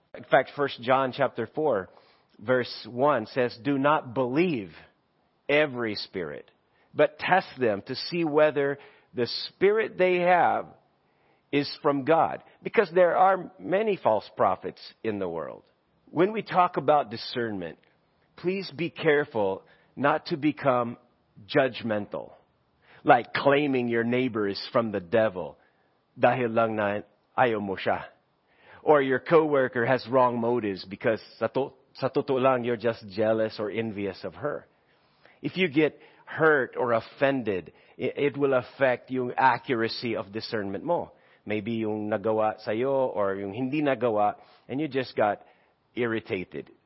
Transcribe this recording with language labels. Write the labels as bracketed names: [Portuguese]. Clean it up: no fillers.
[English] In fact, 1 John chapter 4, verse 1 says, do not believe every spirit, but test them to see whether the spirit they have is from God. Because there are many false prophets in the world. When we talk about discernment, please be careful not to become judgmental. Like claiming your neighbor is from the devil. [Filipino] Dahil lang na ayaw mo siya. [English] Or your coworker has wrong motives because [Filipino] sa totoo lang [English] you're just jealous or envious of her. If you get hurt or offended, it will affect yung accuracy of discernment mo. Maybe [Filipino] yung nagawa sa'yo or yung hindi nagawa, [English] and you just got irritated.